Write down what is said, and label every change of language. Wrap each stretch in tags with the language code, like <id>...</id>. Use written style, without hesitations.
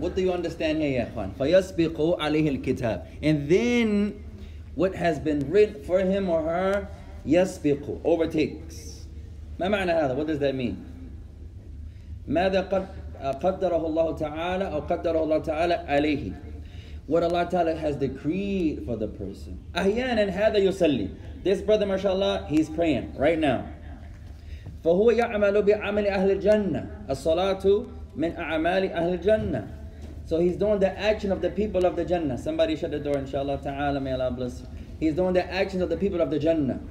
<en>What do you understand here, Yaquan?</en> <ar>فَيَسْبِقُوا عَلَيْهِ الْكِتَابِ</ar> <en>And then, what has been written for him or her, يَسْبِقُوا, overtakes.</en> <ar>ما معنى هذا?</ar> <en>What does that mean?</en> <ar>مَاذَا قَدَّرَهُ اللَّهُ تَعَالَى أَوْ قَدَّرَهُ اللَّهُ تَعَالَى عَلَيْهِ</ar> <en>What Allah Ta'ala has decreed for the person.</en> <ar>أَحْيَانًا هَذَا يُسَلِّي</ar> <en>This brother, mashallah, he's praying right now.</en> <ar>فَهُوَ يَعْمَلُ بِعَمَلِ أَهْلِ الْجَنَّةِ</ar> <en>الصَّلَاةُ مِنْ أَعْمَالِ أَهْلِ الْجَنَّةِ So he's doing the action of the people of the Jannah. Somebody shut the door, inshallah, ta'ala, may Allah bless you. He's doing the actions of the people of the Jannah.</en>